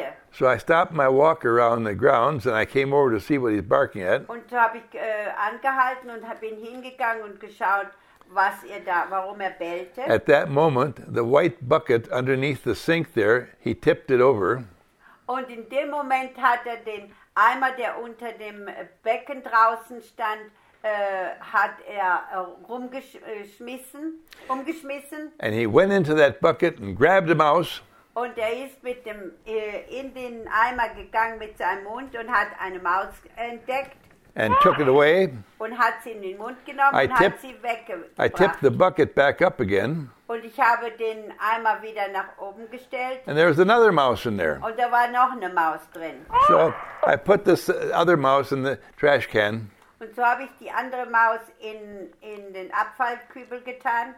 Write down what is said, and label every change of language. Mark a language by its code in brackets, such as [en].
[en] So I stopped my walk around the grounds and I came over to see what he's barking at. [de] Und da habe ich angehalten und bin hingegangen und geschaut, was da, warum bellte. [en] At that moment, the white bucket underneath the sink there, he tipped it over. [de] Und in dem Moment hat den Eimer, der unter dem Becken draußen stand, hat umgeschmissen. [en] And he went into that bucket and grabbed a mouse. [de] Und ist mit dem in den Eimer gegangen mit seinem Mund und hat eine Maus entdeckt. [en] And took it away. [de] Und hat sie in den Mund genommen und hat sie weggebracht. [en] I tipped the bucket back up again. [de] Und ich habe den Eimer wieder nach oben gestellt. [en] And there was another mouse in there. [de] Und da war noch eine Maus drin. [en] So I put this other mouse in the trash can. [de] Und so habe ich die andere Maus in den Abfallkübel getan.